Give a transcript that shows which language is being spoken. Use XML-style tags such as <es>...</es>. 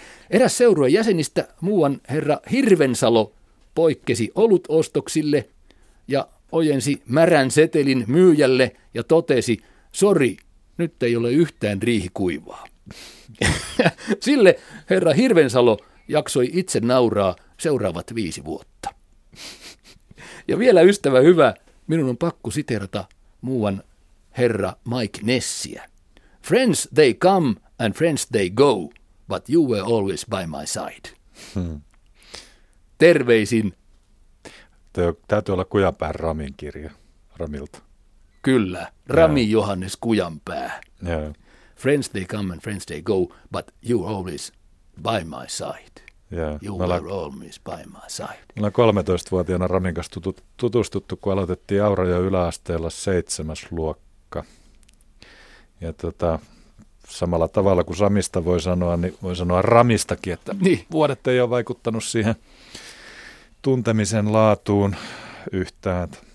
<fi>Eräs seurueen jäsenistä muuan herra Hirvensalo poikkesi olut ostoksille ja ojensi märän setelin myyjälle ja totesi, sori, nyt ei ole yhtään riihikuivaa. Sille herra Hirvensalo jaksoi itse nauraa seuraavat 5 vuotta. Ja vielä ystävä hyvä, minun on pakko siterata muuan herra Mike Nessiä.</fi> <en>Friends they come and friends they go, but you were always by my side.</en> <fi>Terveisin. Täytyy olla Kujanpään Ramin kirja, Ramilta. Kyllä, Rami ja. Johannes Kujanpää. Ja.</fi> <en>Friends they come and friends they go, but you were always by my side.</en> <fi>Ja.</fi> <en>You</en> <fi>mä</fi> <en>were always by my side.</en> <fi>Mulla 13-vuotiaana Ramin kanssa tutustuttu, kun aloitettiin Auraja yläasteella 7. luokka. Ja samalla tavalla kuin Samista voi sanoa, niin voi sanoa Ramistakin, että niin. Vuodet ei ole vaikuttanut siihen tuntemisen laatuun yhtään.</fi>